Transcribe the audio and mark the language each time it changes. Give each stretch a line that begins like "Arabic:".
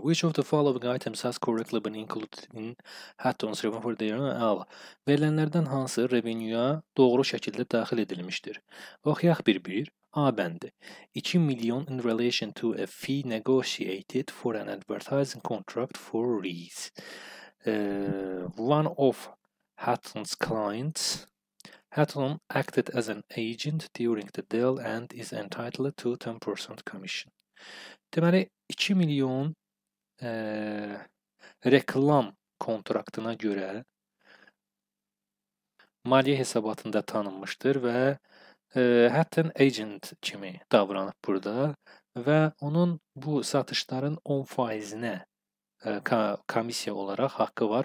English: Which of the following items has correctly been included in Hatton's revenue for the year?
Azerbaijani: Verilənlərdən hansı revenue-a doğru şəkildə daxil edilmişdir? Oxuyaq bir-bir. A bəndi. 2 milyon
English: in relation to a fee negotiated for an advertising contract for Reese. One of Hatton's clients. Hatton acted as an agent during the deal and is entitled to 10% commission.
Azerbaijani: Deməli, 2 milyon reklam kontraktına görə maliyyə hesabatında tanınmışdır və Hatton Agent kimi davranıb burada və onun bu satışların 10%-nə komissiya olaraq haqqı var.